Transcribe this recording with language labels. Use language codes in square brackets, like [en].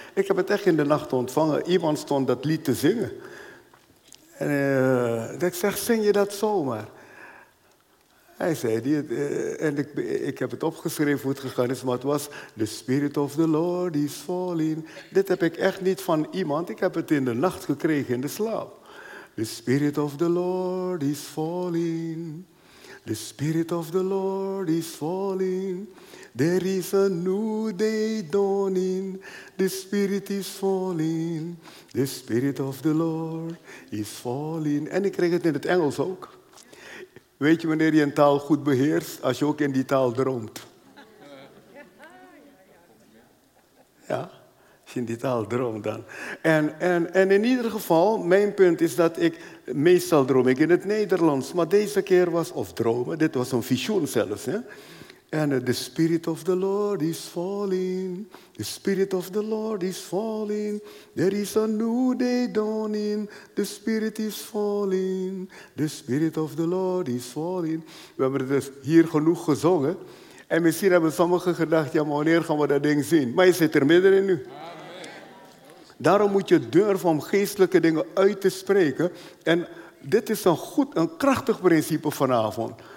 [nl] Ik heb het echt in de nacht ontvangen. Iemand stond dat lied te zingen. En ik zeg, zing je dat zomaar? Hij zei, ik heb het opgeschreven hoe het gegaan is, maar het was [en] The Spirit of the Lord is falling. [nl] Dit heb ik echt niet van iemand, ik heb het in de nacht gekregen in de slaap. [en] The Spirit of the Lord is falling. The Spirit of the Lord is falling. There is a new day dawning. The Spirit is falling. The Spirit of the Lord is falling. [nl] En ik kreeg het in het Engels ook. Weet je wanneer je een taal goed beheerst? Als je ook in die taal droomt. Ja, als je in die taal droomt dan. En in ieder geval, mijn punt is dat ik, meestal droom ik in het Nederlands. Maar deze keer was, of dromen, dit was een visioen zelfs. Hè? [en] En the Spirit of the Lord is falling. The Spirit of the Lord is falling. There is a new day dawning. The Spirit is falling. The Spirit of the Lord is falling. [nl] We hebben het dus hier genoeg gezongen. En misschien hebben sommigen gedacht, ja maar wanneer gaan we dat ding zien? Maar je zit er middenin nu. Amen. Daarom moet je durven om geestelijke dingen uit te spreken. En dit is een krachtig principe vanavond.